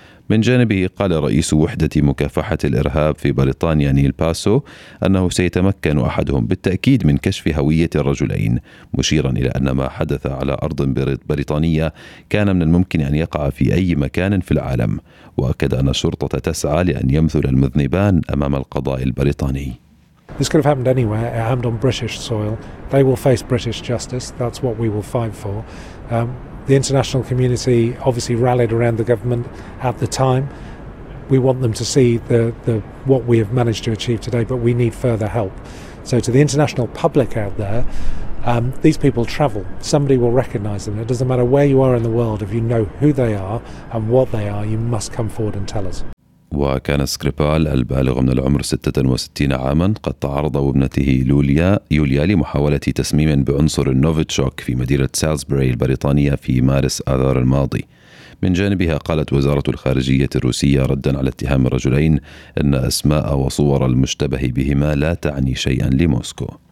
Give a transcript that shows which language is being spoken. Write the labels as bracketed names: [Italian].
[Arabic] من جانبه قال رئيس وحدة مكافحة الإرهاب في بريطانيا نيل باسو أنه سيتمكن أحدهم بالتأكيد من كشف هوية الرجلين، مشيرا إلى أن ما حدث على أرض بريطانية كان من الممكن أن يقع في أي مكان في العالم، وأكد أن الشرطة تسعى لأن يمثل المذنبان أمام القضاء البريطاني. [English] This could have happened anywhere. It happened on British soil. They will face British justice. That's what we will fight for. The international community obviously rallied around the government at the time. We want them to see the what we have managed to achieve today, but we need further help. So to the international public out there, these people travel. Somebody will recognize them. It doesn't matter where you are in the world. If you know who they are and what they are, you must come forward and tell us. [Arabic] وكان سكريبال البالغ من العمر 66 عاما قد تعرض وابنته يوليا لمحاولة تسميم بعنصر النوفيتشوك في مدينة سالزبري البريطانية في مارس آذار الماضي. من جانبها قالت وزارة الخارجية الروسية ردا على اتهام الرجلين أن أسماء وصور المشتبه بهما لا تعني شيئا لموسكو.